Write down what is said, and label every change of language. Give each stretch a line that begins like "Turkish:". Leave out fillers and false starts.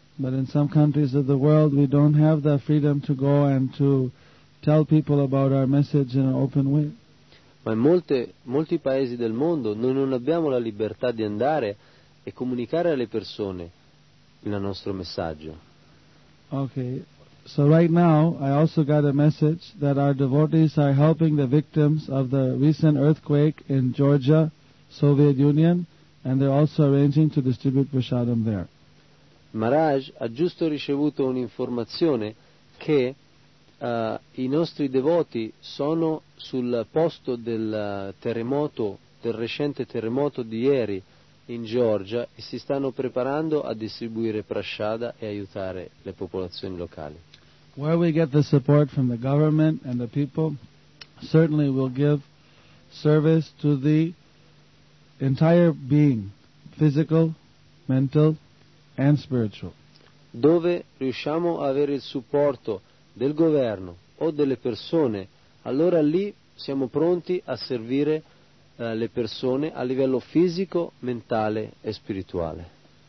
English: But in some countries of the world we don't have the freedom to go and to tell people about our message in an open way.
Italian: Ma in molti paesi del mondo noi non abbiamo la libertà di andare e comunicare alle persone il nostro messaggio.
English: Okay. So right now I also got a message that our devotees are helping the victims of the recent earthquake in Georgia, Soviet Union, and they're also arranging to distribute prasadam there.
Italian: Maharaj ha giusto ricevuto un'informazione perché i nostri devoti sono sul posto del terremoto, del recente terremoto di ieri in Georgia, e si stanno preparando a distribuire prasciada e aiutare le popolazioni locali.
English: Where we get the support from the government and the people, certainly we'll give service to the entire being, physical, mental and spiritual.
Italian: Dove riusciamo a avere il supporto del governo o delle persone, allora lì siamo pronti a servire le persone a livello fisico, mentale e spirituale.